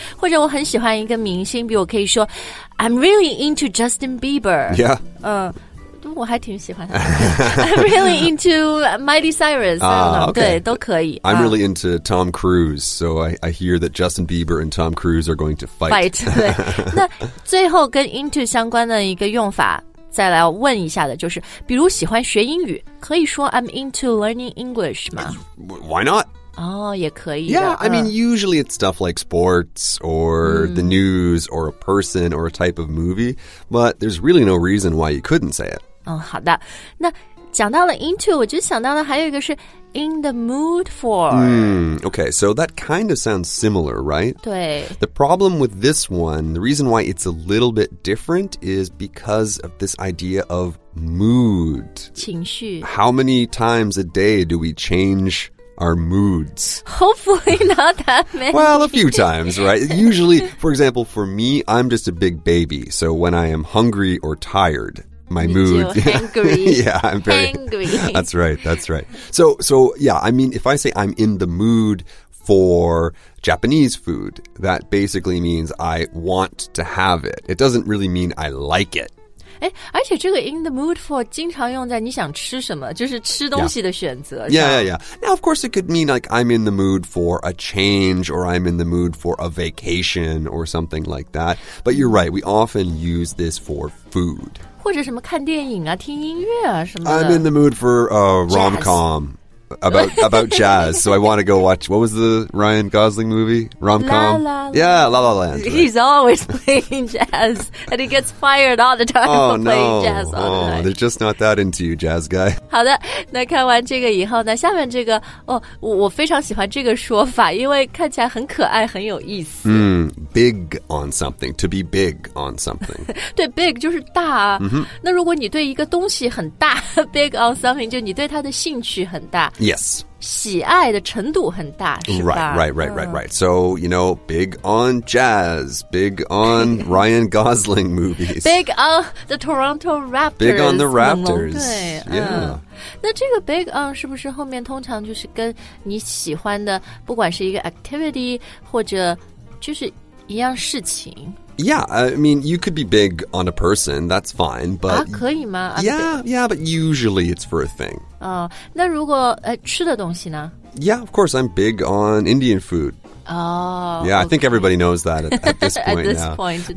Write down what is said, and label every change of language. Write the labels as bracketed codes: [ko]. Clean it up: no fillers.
[zh] 或者我很喜欢一个明星，比如我可以说 [en] I'm really into Justin Bieber. Yeah. [zh] 我还挺喜欢他。 [en] I'm really into Miley Cyrus. Okay. [zh] 对，都可以。 [en] I'm really into Tom Cruise, so I hear that Justin Bieber and Tom Cruise are going to fight. [zh] 对。那最后跟 into 相关的一个用法，再来问一下的就是，比如喜欢学英语，可以说 [en] I'm into learning English [zh] 吗？ [en] Why not? [zh] 也可以。 [en] Yeah, I mean, usually it's stuff like sports or the news or a person or a type of movie, but there's really no reason why you couldn't say it. [zh] 好的。那讲到了 into, 我就想到了还有一个是 [en] in the mood for. Okay, so that kind of sounds similar, right? [zh] 对。 [en] The problem with this one, the reason why it's a little bit different is because of this idea of mood. [zh] 情绪。 [en] How many times a day do we change our moods? Hopefully not that many. Well, a few times, right? Usually, for example, for me, I'm just a big baby. So when I am hungry or tired, my mood... I'm very hangry. That's right. So, I mean, if I say I'm in the mood for Japanese food, that basically means I want to have it. It doesn't really mean I like it. [zh] 而且这个 [en] in the mood for [zh] 经常用在你想吃什么，就是吃东西的选择。 [en] Yeah. Now, of course, it could mean like I'm in the mood for a change or I'm in the mood for a vacation or something like that. But you're right, we often use this for food. [zh] 或者什么看电影啊，听音乐啊，什么的。 [en] I'm in the mood for a rom-com. about jazz. So I want to go watch, what was the Ryan Gosling movie? Rom-com? La La Land. Right? He's always playing jazz. And he gets fired all the time for playing jazz all the time. They're just not that into you, jazz guy. [zh] 好的，那看完这个以后呢，下面这个，哦，我非常喜欢这个说法，因为看起来很可爱，很有意思。 [en] Mm, big on something, to be big on something. [zh] 对 ,big 就是大。Mm-hmm. 那如果你对一个东西很大 , [en] big on something, [zh] 就你对它的兴趣很大。 [en] Yes. [zh] 喜爱的程度很大是吧 [en] Right. So, you know, big on jazz, big on Ryan Gosling movies. Big on the Toronto Raptors. Big on the Raptors. [zh] 对 yeah. 那这个 big on 是不是后面通常就是跟你喜欢的不管是一个 activity 或者就是一样事情。 [en] Yeah, I mean, you could be big on a person, that's fine, but... [zh] 啊,可以吗? [en] Yeah, but usually it's for a thing. [zh] 哦,那如果吃的东西呢? [en] Yeah, of course, I'm big on Indian food. Oh, yeah, okay. I think everybody knows that at this point. at this point.